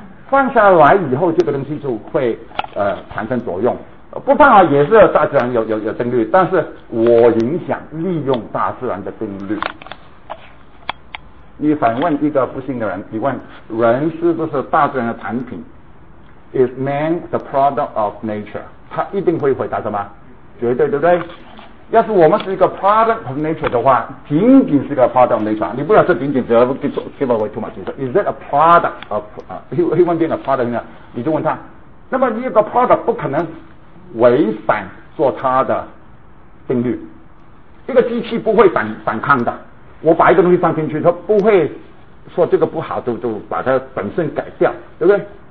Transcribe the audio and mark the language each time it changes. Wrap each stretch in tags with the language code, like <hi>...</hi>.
<zh>放下来以后这个东西就会产生作用，不放了也是大自然有定律，但是我影响利用大自然的定律。你反问一个不幸的人，你问人是不是大自然的产品？</zh> <en>Is man the product of nature?</en> <zh>他一定会回答什么？绝对，对不对？要是我们是一个 product of nature 的话，仅仅是一个 product of nature， 你不要说仅仅只要</zh> <en>give away too much，</en> <zh>你说</zh> <en>is it a product of human being a product of nature，</en> <zh>你就问他，那么一个 product 不可能违反做它的定律，一个机器不会反抗的，我把一个东西放进去，它不会说这个不好就把它本身改掉，对不对？</zh>